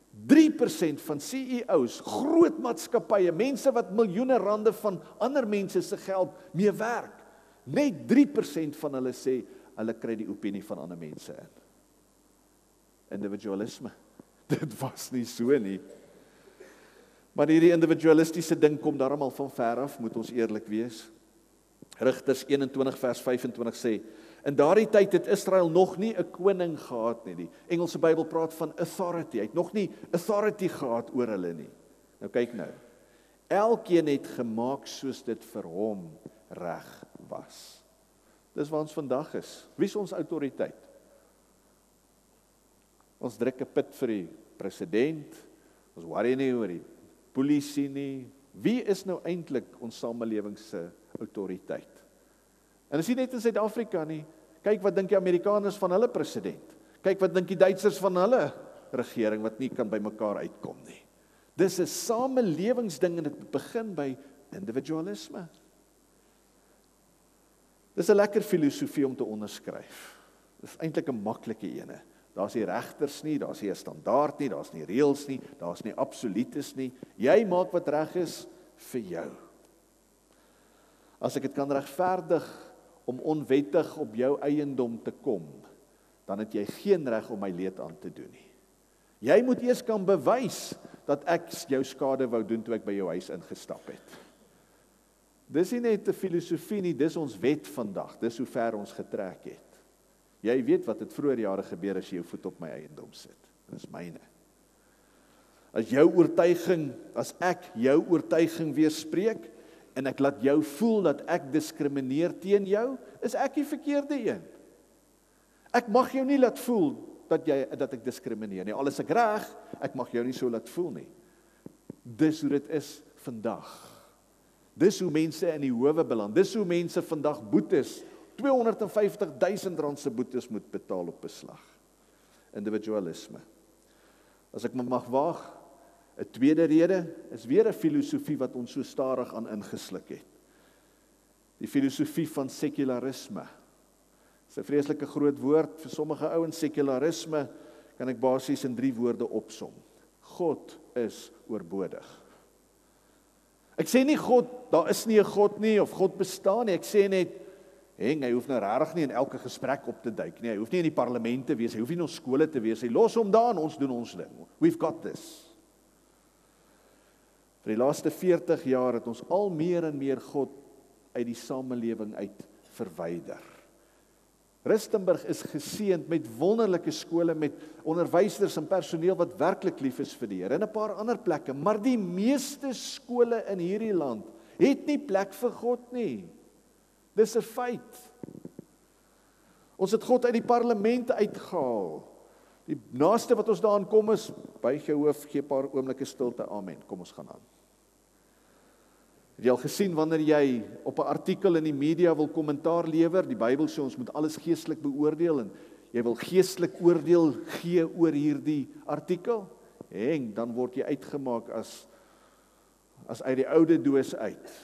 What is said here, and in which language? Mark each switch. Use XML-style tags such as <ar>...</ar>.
<af>3% van CEO's, groot maatskappye, mense wat miljoene rande van ander mense se geld mee werk. Net 3% van hulle sê, hulle kry die opinie van ander mense in. Individualisme. Dit was nie so nie. Maar hierdie individualistische ding kom daarom al van ver af, moet ons eerlijk wees. Rigters 21 vers 25 sê, in daardie tyd het Israel nog nie 'n koning gehad nie. Die Engelse Bybel praat van authority, hy het nog nie authority gehad oor hulle nie. Nou kyk nou, elkeen het gemaak soos dit vir hom reg was. Dis waar ons vandag is. Wie is ons autoriteit? Ons druk 'n pit vir die president, ons worry nie oor die politie nie. Wie is nou eindelijk ons samenlevingse autoriteit? En as jy net in Suid-Afrika nie, kyk wat denk die Amerikaners van hulle president, kyk wat denk die Duitsers van hulle regering, wat nie kan by mekaar uitkom nie. Dis 'n samenlevingsding en het begin by individualisme. Dis 'n lekker filosofie om te onderskryf. Dis eintlik 'n maklike ene. Daar is die regters nie, daar is die standaard nie, daar is nie reëls nie, daar is nie absolutes nie. Jy maak wat reg is vir jou. As ek het kan regverdig om onwettig op jou eiendom te kom, dan het jy geen reg om my leed aan te doen nie. Jy moet eers kan bewys dat ek jou skade wou doen toe ek by jou huis ingestap het. Dis nie net 'n filosofie nie, dis ons wet vandag, dis hoe ver ons getrek het. Jy weet wat het vroeër jare gebeur as jy jou voet op my eiendom sit. Dit is myne. As jou oortuiging, as ek jou oortuiging weerspreek, en ek laat jou voel dat ek diskrimineer teen jou, is ek die verkeerde een. Ek mag jou nie laat voel dat ek diskrimineer nie. Al is ek reg, ek mag jou nie so laat voel nie. Dis hoe dit is vandag. Dis hoe mense in die howe beland. Dis hoe mense vandag boetes, 250.000 rand se boetes moet betaal op beslag. Individualisme. As ek my mag waag, 'n tweede rede is weer 'n filosofie wat ons so stadig aan ingesluk het. Die filosofie van sekularisme. Dis 'n vreeslike groot woord vir sommige ouens. Sekularisme kan ek basies in 3 woorde opsom. God is oorbodig. Ek sê nie God, daar is nie 'n God nie of God bestaan nie. Ek sê net Heng, hy hoef nou rarig nie in elke gesprek op te duik nie, hy hoef nie in die parlement te wees, hy hoef nie in ons skole te wees, hy los hom daar en ons doen ons ding.</af> <en>We've got this.</en> <af>Vir die laaste 40 jaar het ons al meer en meer God uit die samelewing uit verwyder. Rustenburg is geseend met wonderlike skole, met onderwysers en personeel wat werklik lief is vir die Here, en 'n paar ander plekke, maar die meeste skole in hierdie land het nie plek vir God nie. Dis 'n feit. Ons het God uit die parlement uitgehaal. Die naaste wat ons daaraan kom is, buig jou hoof, gee 'n paar oomblikke stilte, amen, kom ons gaan aan. Het jy al gesien wanneer jy op 'n artikel in die media wil kommentaar lewer, die Bybel sê ons moet alles geestelik beoordeel, en jy wil geestelik oordeel gee oor hierdie artikel, en dan word jy uitgemaak as uit die oude doos uit.</af>